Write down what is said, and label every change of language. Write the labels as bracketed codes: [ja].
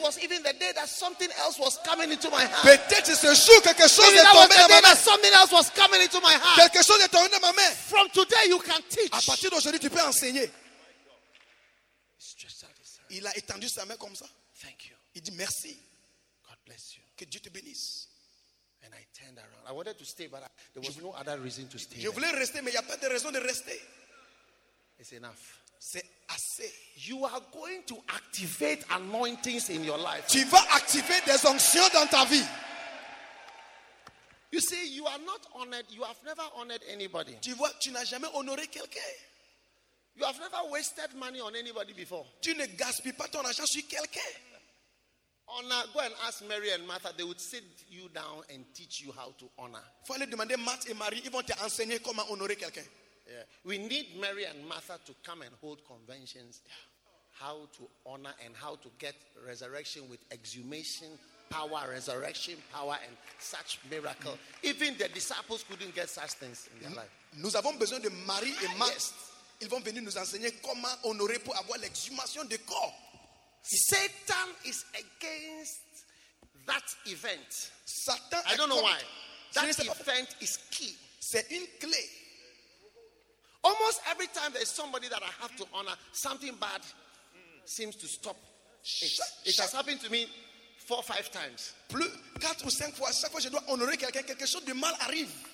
[en] That was even the day that something else was coming into my hand. [fr] Peut-être ce jour quelque chose est tombé dans ma main. [en] Something else was coming into my hand. [fr] Quelque chose est tombé dans ma main. [en] From today you can teach. [fr] À partir d'aujourd'hui tu peux enseigner. [en] He stretched out his hand. [fr] Il a étendu sa main comme ça. [en] Thank you. [fr] Il dit merci. [en] God bless you. [fr] Que Dieu te bénisse. [en] And I turned around. I wanted to stay, but there was no other reason to stay. [fr] Je voulais rester, mais il n'y a pas de raison de rester. [en] It's enough. [fr] C'est assez. [en] You are going to activate anointings in your life. [fr] Tu vas activer des onctions dans ta vie. [en] You see, you are not honored. You have never honored anybody. [fr] Tu vois, tu n'as jamais honoré quelqu'un. [en] You have never wasted money on anybody before. [fr] Tu ne gaspilles pas ton argent sur quelqu'un. [en] Honor. Go and ask Mary and Martha. They would sit you down and teach you how to honor. [fr] Faut aller demander Marthe et Marie. Ils vont te enseigner comment honorer quelqu'un. [en] Yeah. We need Mary and Martha to come and hold conventions. How to honor and how to get resurrection with exhumation power, resurrection power, and such miracle. Even the disciples couldn't get such things in their life. [fr] Nous avons besoin de Marie et Marthe. Ils vont venir nous enseigner comment honorer pour avoir l'exhumation de corps. [en] Satan is against that event. Satan, I don't know why. That event is key. [fr] C'est une clé. [en] Almost every time there is somebody that I have to honor, something bad seems to stop. It has happened to me 4 or 5 times. [fr] Plus 4 ou 5 fois, chaque fois je dois honorer quelqu'un, quelque chose de mal arrive.